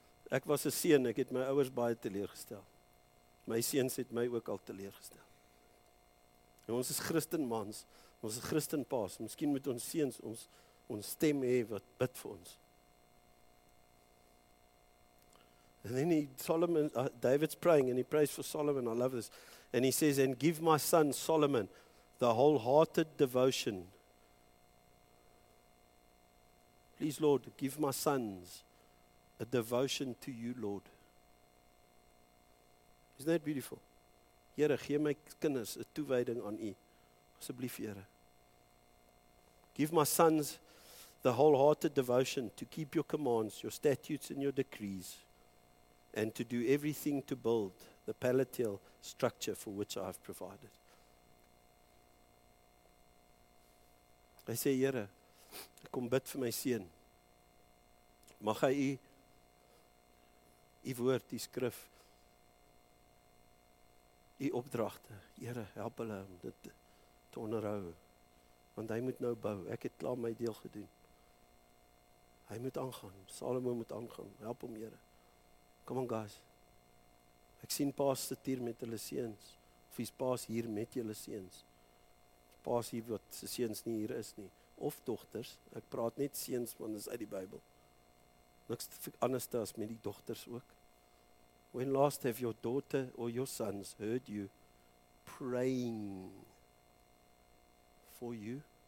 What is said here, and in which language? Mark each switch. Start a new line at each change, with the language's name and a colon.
Afrikaans: Ek was 'n seun, ek het my ouers baie teleurgestel. My seuns het my ook al teleurgestel. En ons is Christenmans, ons is Christenpaas. Miskien moet ons seuns ons stem hê wat bid vir ons.
English: And then David's praying, and he prays for Solomon. I love this. And he says, and give my son Solomon the wholehearted devotion. Please, Lord, give my sons a devotion to you, Lord. Isn't that beautiful?
Afrikaans: Here, gee my kinders 'n toewyding aan u. Asseblief, Here.
English: Give my sons the wholehearted devotion to keep your commands, your statutes, and your decrees, and to do everything to build the palatial structure for which I have provided. I say,
Afrikaans: Here, I kom bid vir my seun. Mag hy u woord, die skrif, die opdragte, Here, help hulle om dit te onderhou. Want hy moet nou bou. Ek het klaar my deel gedoen. Hy moet aangaan. Salomo moet aangaan. Help hom, Here.
English: Come on, guys.
Afrikaans: Ek sien paas sit hier met hulle seuns. Of is paas hier met julle seuns? Paas hier wat se seuns nie hier is nie. Of dogters. Ek praat net seuns, want dit is uit die Bybel. Niks anders as met die dogters ook.
English: When last have your daughter or your sons heard you praying for you?